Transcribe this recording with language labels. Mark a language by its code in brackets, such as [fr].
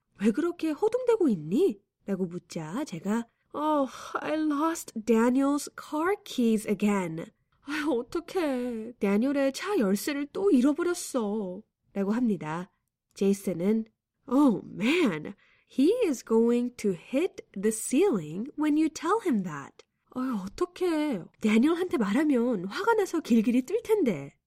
[ko] 왜 그렇게 호동되고 있니? 라고 묻자 제가 [en] Oh, I lost Daniel's car keys again. [ko] 어떡해, 다니엘의 차 열쇠를 또 잃어버렸어. 라고 합니다. [en] 제이슨은, Oh, man, he is going to hit the ceiling when you tell him that. [ko] 어떡해, 다니엘한테 말하면 화가 나서 길길이 뜰 텐데.